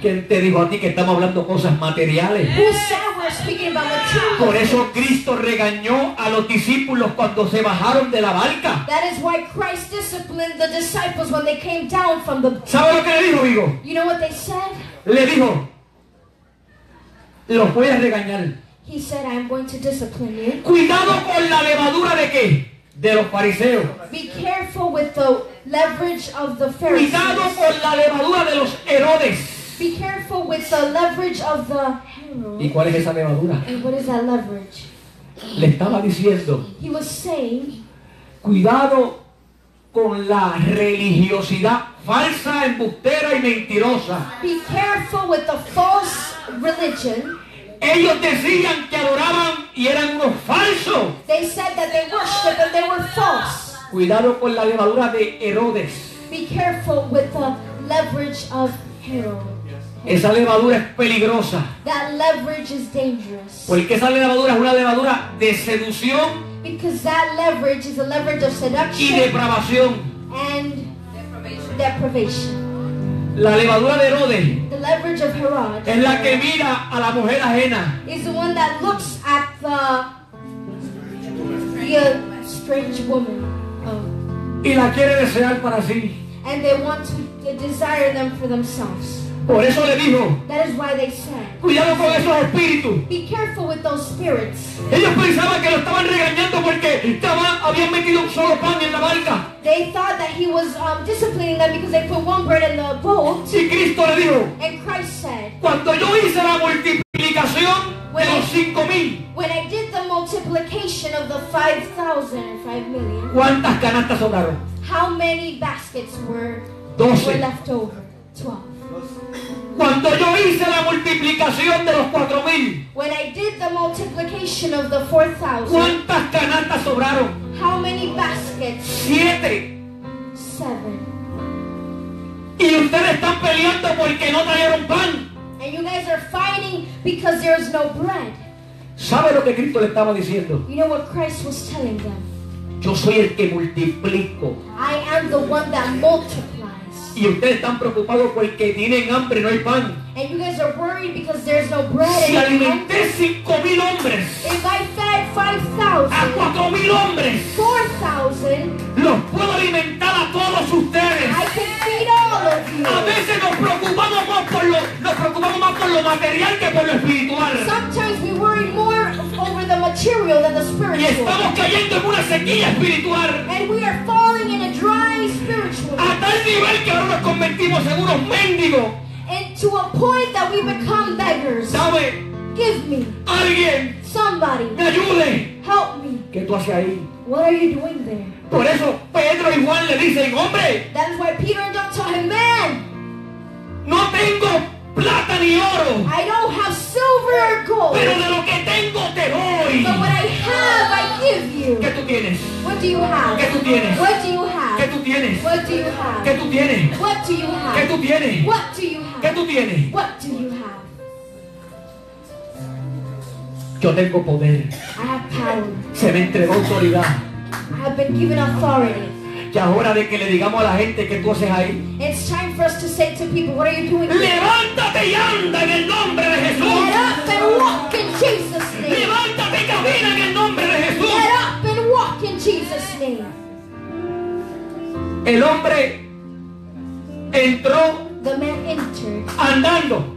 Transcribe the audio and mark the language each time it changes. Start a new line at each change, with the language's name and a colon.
Spanish: ¿Quién te dijo a ti que estamos hablando cosas materiales?
English: Who said we're speaking about material?
Spanish: Por eso Cristo regañó a los discípulos cuando se bajaron de la barca.
English: That is why Christ disciplined the disciples when they came down from the.
Spanish: ¿Sabes lo que le dijo, hijo?
English: You know what they said?
Spanish: Le dijo, los voy a regañar.
English: He said, I'm going to discipline you.
Spanish: Cuidado con la levadura de qué? De los fariseos.
English: Be careful with the leverage of the Pharisees.
Spanish: Cuidado con la levadura de los Herodes.
English: Be careful with the leverage of the Herod.
Spanish: ¿Y cuál es esa levadura?
English: And what is that leverage?
Spanish: Le estaba diciendo.
English: He was saying.
Spanish: Cuidado con la religiosidad falsa, embustera y mentirosa.
English: Be careful with the false religion.
Spanish: Ellos decían que adoraban y eran unos falsos.
English: They said that they worshiped and they were false.
Spanish: Cuidado con la levadura de Herodes.
English: Be careful with the leverage of Herod.
Spanish: Esa levadura es peligrosa.
English: That leverage is dangerous.
Spanish: Porque esa levadura es una levadura de seducción.
English: Because that leverage is a leverage of seduction.
Spanish: Y depravación.
English: And deprivation.
Spanish: La levadura de Herodes.
English: The leverage of Herod.
Spanish: Es la que mira a la mujer ajena.
English: Is the one that looks at the strange woman.
Spanish: Y la quiere desear para sí.
English: And they want to desire them for themselves.
Spanish: Por eso le dijo.
English: That is why they said.
Spanish: Cuidado con esos espíritus.
English: Be careful with those spirits.
Spanish: Ellos pensaban que lo estaban regañando porque habían metido un solo pan en la barca.
English: They thought that he was disciplining them because they put one bread in the boat.
Spanish: Y Cristo le dijo.
English: And Christ said.
Spanish: Cuando yo hice la multiplicación de los 5,000.
English: When I did the multiplication of the 5,000 and 5,000,000.
Spanish: ¿Cuántas canastas sobraron?
English: How many baskets were,
Spanish: 12.
English: Were left over? 12.
Spanish: Cuando yo hice la multiplicación de los 4,000.
English: When I did the multiplication of the 4,000.
Spanish: ¿Cuántas canastas sobraron?
English: How many baskets?
Spanish: 7.
English: 7.
Spanish: Y ustedes están peleando porque no trajeron pan.
English: And you guys are fighting because there is no bread.
Spanish: ¿Sabe lo que Cristo le estaba diciendo?
English: You know what Christ was telling them?
Spanish: Yo soy el que multiplico.
English: I am the one that multiplies.
Spanish: Y ustedes están preocupados porque tienen hambre, no hay pan.
English: And you guys are worried because there's no bread.
Spanish: Si alimenté 5,000 hombres.
English: If I fed 5,000.
Spanish: A 4,000 hombres.
English: 4,000.
Spanish: Los puedo alimentar a todos ustedes.
English: I can feed all of you.
Spanish: A veces nos preocupamos más por lo material que por lo espiritual.
English: Sometimes we worry more over the material than the spiritual.
Spanish: Y estamos cayendo en una sequía espiritual.
English: And we are falling in a dry spiritual.
Spanish: A tal nivel que ahora nos convertimos en unos mendigos.
English: And to a point that we become beggars.
Spanish: ¿Sabe?
English: Give me.
Spanish: Alguien.
English: Somebody.
Spanish: Me ayude.
English: Help me.
Spanish: ¿Qué tú haces ahí?
English: What are you doing there?
Spanish: Por eso Pedro y Juan le dicen, hombre.
English: That is why Peter and John told him, man.
Spanish: No tengo plata ni oro.
English: I don't have silver or gold.
Spanish: Pero de lo que tengo te doy.
English: But what I have, I give you.
Spanish: ¿Qué tú tienes?
English: What do you have?
Spanish: ¿Qué tú tienes?
English: What do you have?
Spanish: ¿Qué tú tienes?
English: What do you have?
Spanish: ¿Qué tú tienes?
English: What do you have?
Spanish: ¿Qué tú tienes?
English: What do you have?
Spanish: ¿Qué tú tienes?
English: What do you have?
Spanish: Yo tengo poder.
English: I have power.
Spanish: Se me entregó autoridad.
English: I have been given authority.
Spanish: Ya es hora de que le digamos a la gente qué tú haces ahí.
English: It's time for us to say to people, what are you doing?
Spanish: Levántate y anda en el nombre de Jesús.
English: Get up and walk in Jesus' name.
Spanish: Levántate y camina en el nombre de Jesús.
English: Get up and walk in Jesus' name.
Spanish: El hombre entró.
English: The
Spanish: andando,